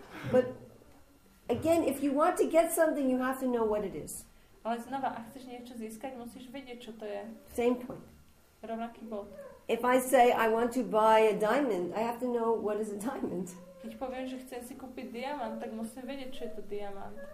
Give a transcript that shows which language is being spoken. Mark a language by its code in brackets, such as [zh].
[en] But again, if you want to get something, you have to know what it is. [sk] Ale znova, ak chceš niečo získať, musíš vedieť, čo to je. [en] Same point. [sk] Rovnaký bod. [en] If I say I want to buy a diamond, I have to know what is a diamond. [sk] Keď poviem, že chcem si kúpiť diamant, tak musím vedieť, čo je to diamant.